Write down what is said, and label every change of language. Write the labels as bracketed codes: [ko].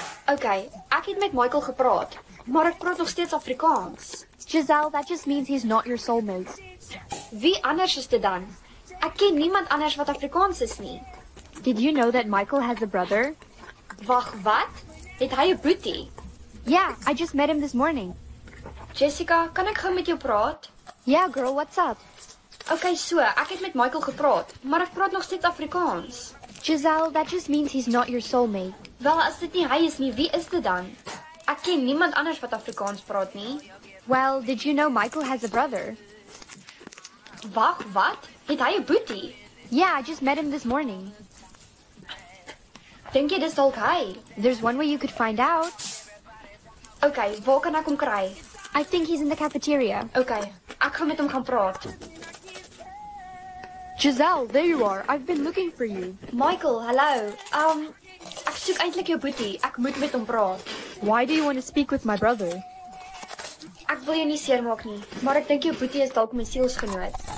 [af] Okay, ek het met Michael gepraat, maar ek praat nog steeds Afrikaans. [en] Giselle, that just means he's not your soulmate. [af] Wie anders is dit dan? Ek ken niemand anders wat Afrikaans is nie. [en] Did you know that Michael has a brother? [af] Wag, wat? Het hy 'n broertjie? [en] Yeah, I just met him this morning. [af] Jessica, kan ek gou met jou praat? [en] Yeah, girl, what's up? [af] Okay, so, ek het met Michael gepraat, maar ek praat nog steeds Afrikaans. [en] Giselle, that just means he's not your soulmate. [af] Wel, as dit nie hy is nie, wie is dit dan? Ek ken niemand anders wat Afrikaans praat nie. [en] Well, did you know Michael has a brother? [af] Wag, wat? Het hy 'n broertjie? [en] Yeah, I just met him this morning. [af] Dink jy dis dalk hy? [en] There's one way you could find out. [af] Okay, waar kan ek hom kry? [en] I think he's in the cafeteria. [af] Okay, ek gaan met hom gaan praat. [en] Giselle, there you are. I've been looking for you. Michael, hello. [af] Ek soek eintlik jou broertjie. Ek moet met hom praat. [en] Why do you want to speak with my brother? [af] Ek wil jou nie seermaak nie, maar ek dink jou broertjie is dalk my sielsgenoot.